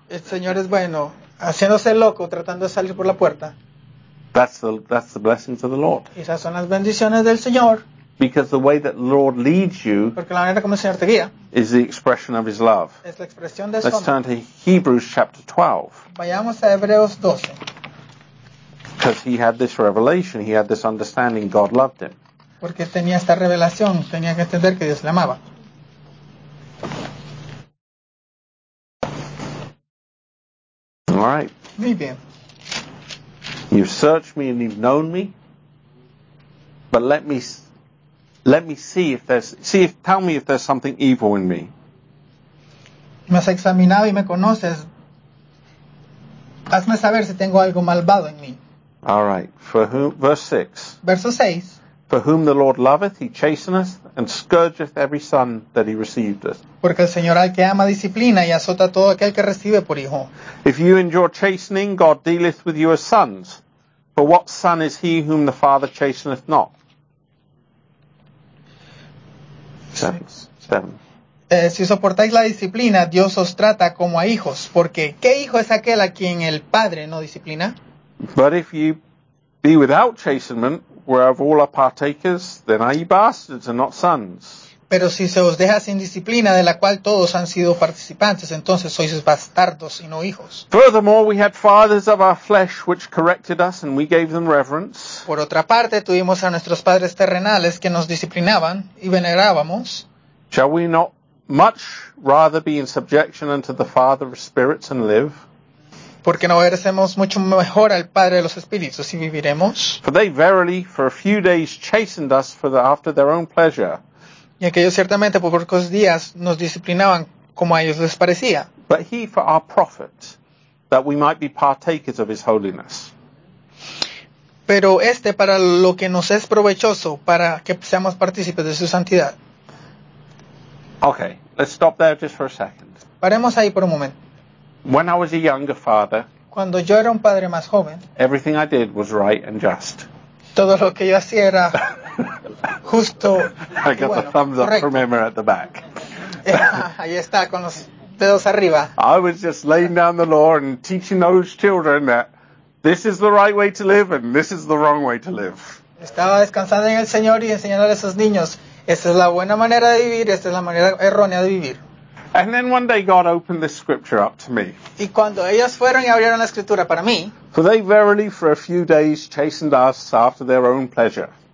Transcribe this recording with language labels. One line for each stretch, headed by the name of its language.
Spanish: El Señor es bueno. Haciéndose loco, tratando de salir por la puerta.
English: That's the blessings of the Lord.
Spanish: Esas son las bendiciones del Señor.
English: Because the way that the Lord leads you.
Spanish: Porque la manera como el Señor te guía.
English: Is the expression of his love.
Spanish: Es la expresión de su amor.
English: Let's turn to Hebrews chapter 12.
Spanish: Vayamos a Hebreos 12.
English: Because he had this revelation, he had this understanding, God loved him.
Spanish: Porque tenía esta revelación, tenía que entender que Dios le amaba.
English: All right.
Spanish: Muy bien.
English: You've searched me and you've known me, but let me see if tell me if there's something evil in me.
Spanish: Me has examinado y me conoces. Hazme saber si tengo algo malvado en mí.
English: All right. For whom? Verse 6.
Spanish: Verso 6.
English: For whom the Lord loveth, he chasteneth and scourgeth every son that he receiveth.
Spanish: Porque el Señor al que ama disciplina y azota todo aquel que recibe por hijo.
English: If you endure chastening, God dealeth with you as sons. For what son is he whom the Father chasteneth not?
Spanish: 7. Si soportáis la disciplina, Dios os trata como a hijos. Porque ¿qué hijo es aquel a quien el Padre no disciplina?
English: But if you be without chastenment, whereof all are partakers, then are ye bastards and not sons.
Spanish: Pero si se os deja sin disciplina, de la cual todos han sido participantes, entonces sois bastardos y no hijos.
English: Furthermore, we had fathers of our flesh which corrected us, and we gave them reverence.
Spanish: Por otra parte, tuvimos a nuestros padres terrenales que nos disciplinaban y venerábamos.
English: Shall we not much rather be in subjection unto the Father of spirits and live?
Spanish: ¿Por qué no obedecemos mucho mejor al Padre de los Espíritus y viviremos?
English: For they verily for a few days chastened us for the, after their own pleasure.
Spanish: Y aquellos ciertamente por pocos días nos disciplinaban como a ellos les parecía.
English: But he for our profit, that we might be partakers of his holiness.
Spanish: Pero este para lo que nos es provechoso, para que seamos partícipes de su santidad.
English: Okay, let's stop there just for a second.
Spanish: Paremos ahí por un momento.
English: When I was a younger father,
Spanish: cuando yo era un padre más joven,
English: everything I did was right and just.
Spanish: Todo lo que yo hacía era justo.
English: I got
Spanish: bueno,
English: the thumbs
Spanish: correcto.
English: Up from Emma at the back.
Spanish: Ahí está, con los dedos arriba.
English: I was just laying down the law and teaching those children that this is the right way to live and this is the wrong way to live.
Spanish: Estaba descansando en el Señor y enseñando a esos niños, esta es la buena manera de vivir, esta es la manera errónea de vivir.
English: And then one day God opened this scripture up to me.
Spanish: Y cuando ellos fueron y abrieron la escritura para mí.
English: For they verily for a few days chastened us after their own pleasure.